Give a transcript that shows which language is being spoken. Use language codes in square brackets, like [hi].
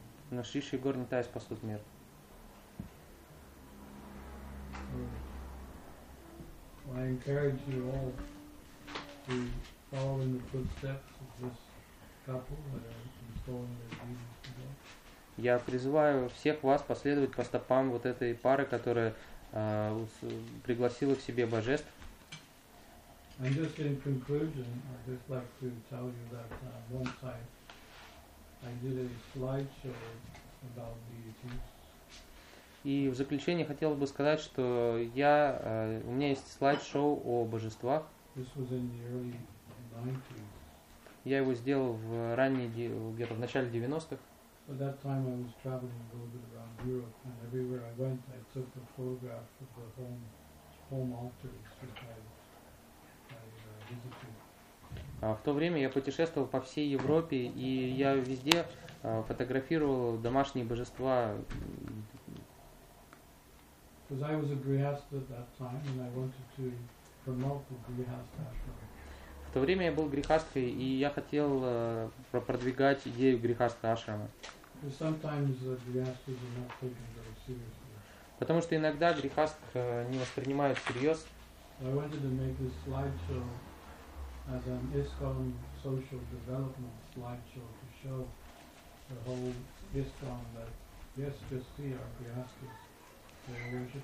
[ru] Но Шри Горнитай спасут мир. [en] I encourage you all to follow in the footsteps of this couple that are installing their Jesus today. [ru] Я призываю всех вас последовать по стопам вот этой пары, которая пригласила к себе божеств. [en] And just in conclusion, I'd just like to tell you that once I did a slideshow about deities. [ru] И в заключение хотел бы сказать, что я у меня есть слайд-шоу о божествах. [en] This was in the early 90s. [ru] Я его сделал в ранние где-то в начале 90-х. [en] At that time I was traveling a little bit around Europe, and everywhere I went I took a photograph of the home altars that I visited. [ru] В то время я путешествовал по всей Европе, и я везде фотографировал домашние божества. [en] Because I was a grihastha at that time, and I wanted to promote the grihastha ashram. [ru] В то время я был грихастхой, и я хотел продвигать идею грихастха ашрама. [en] Because sometimes the grihasthas are not taken very seriously. [ru] Потому что иногда грихастх не воспринимают всерьез. [en] I wanted to make this slideshow as an ISKCON social development slideshow to show the whole ISKCON that, yes, just see our grihasthas.